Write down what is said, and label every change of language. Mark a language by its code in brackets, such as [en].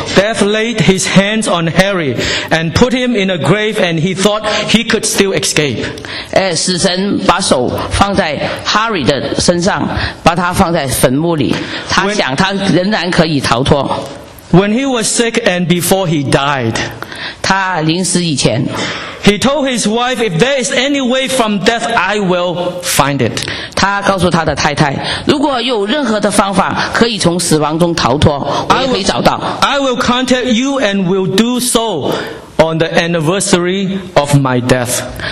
[en] Death laid his hands on Harry and put him in a grave and he thought he could still escape. [zh] 死神把手放在 Harry 的身上，把他放在坟墓里，他想他仍然可以逃脱。 [en] When he was sick and before he died, [zh] 他临死以前 [en] He told his wife, if there is any way from death, I will find it. [zh] 他告诉他的太太，如果有任何的方法可以从死亡中逃脱，我也会找到。 [en] I will contact you and will do so on the anniversary of my death.